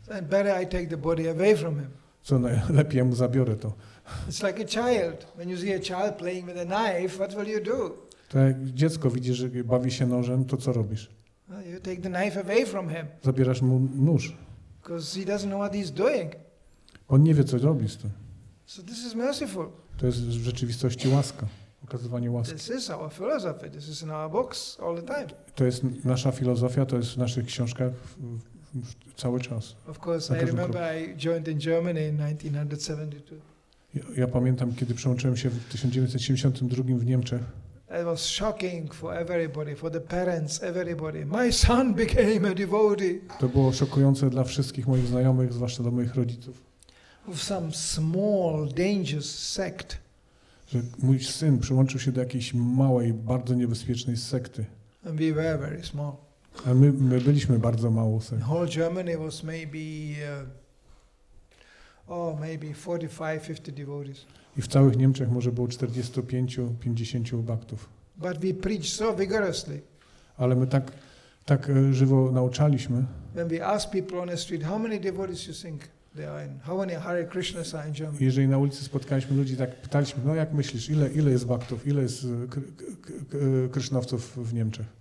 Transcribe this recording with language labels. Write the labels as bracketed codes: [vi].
[en] And better I take the body away from him. [pl] Co najlepiej, mu zabiorę to. [en] It's like a child. When you see a child playing with a knife, what will you do? [pl] To jak dziecko widzi, że bawi się nożem, to co robisz? [en] Well, you take the knife away from him. [pl] Zabierasz mu nóż. [en] Because he doesn't know what he's doing. [pl] On nie wie, co robi z tym. [en] So this is merciful. [pl] To jest w rzeczywistości łaska. Okazywanie łaski. [en] This is our philosophy. This is in our books all the time. [pl] To jest nasza filozofia, to jest w naszych książkach cały czas. [en] Of course, I remember I joined in Germany in 1972. [pl] Ja pamiętam, kiedy przyłączyłem się w 1972 w Niemczech. [en] It was shocking for everybody, for the parents, everybody. My son became a devotee. [pl] To było szokujące dla wszystkich moich znajomych, zwłaszcza dla moich rodziców. [en] Of some small, dangerous sect. [pl] Że mój syn przyłączył się do jakiejś małej, bardzo niebezpiecznej sekty. [en] And we were very small. [pl] A my byliśmy bardzo małą sektą. [en] Whole Germany was maybe, oh, maybe 45-50 devotees. [pl] I w całych Niemczech może było 45-50 baktów. [en] But we preach so vigorously. [pl] Ale my tak żywo nauczaliśmy. [en] When we ask people on the street, how many devotees you think there are in, how many Hare Krishnas are in Germany? [pl] Jeżeli na ulicy spotkaliśmy ludzi, tak pytaliśmy, no jak myślisz, ile jest baktów, ile jest krysznowców w Niemczech?